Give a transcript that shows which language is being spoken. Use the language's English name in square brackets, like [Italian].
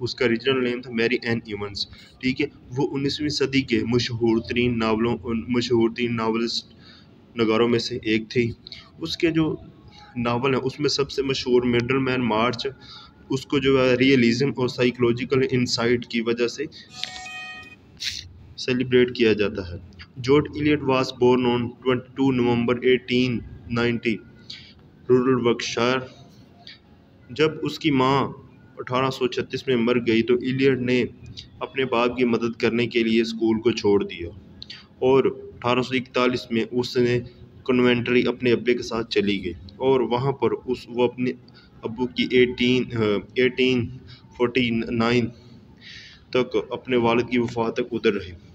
[Hindi] उसका regional name था Mary N Evans. ठीक है, वो 19वीं सदी के मशहूर तरीन नावलिस्ट नगारों में से एक थे. उसके जो नावल हैं उसमें सबसे मशहूर मिडल मैन मार्च, उसको जो है रियलिज्म और साइकोलॉजिकल इंसाइट की वजह से सेलिब्रेट किया जाता है. [English] George Eliot was born on 22 November 1890, rural Yorkshire. [Hindi] जब उसकी माँ 1836 में मर गई तो Eliot ने अपने बाप की मदद करने के लिए स्कूल को छोड़ दिया और 1841 में उसने कन्वेंट्री अपने अब्बे के साथ चली गई और वहाँ पर वो अपने अबू की 1849 तक अपने वालिद की वफ़ात तक उधर रहे.